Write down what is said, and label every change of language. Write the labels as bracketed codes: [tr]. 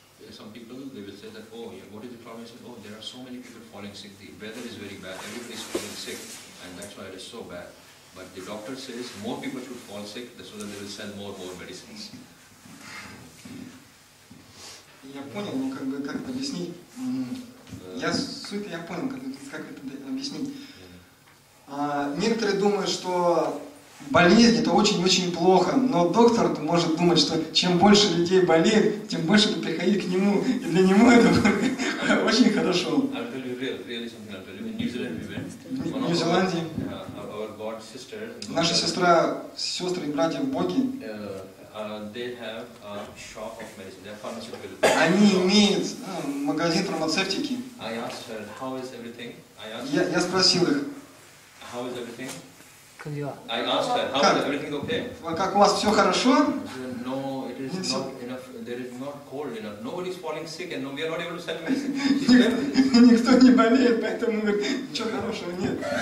[en] Some people they will say that what is the problem? Say, there are so many people falling sick. The weather is very bad. Everybody is falling sick, and that's why it is so bad. But the doctor says more people should fall sick, so that they will sell more medicines. [ru] Я понял, ну как бы как это объяснить? Я суть я понял, как это объяснить. Некоторые думают, что болезнь это очень-очень плохо, но доктор может думать, что чем больше людей болеет, тем больше будет приходить к нему, и для него это очень хорошо. В Нью-Зеландии. [en] God sisters, [ru] наши сестра, сестры и братья в Боге, [en] they have a shop of medicine, they are pharmaceutical. [ru] Они имеют магазин фармацевтики. [en] I asked her, how is everything? [ru] Я спросил их. [en] How is everything? I asked her, how is everything okay? [ru] Как у вас все хорошо? [en] No, it is not enough. There is not cold enough. Nobody is falling sick, and no, we are not able to sell medicine. [ru] Никто не болеет, поэтому ничего хорошего нет.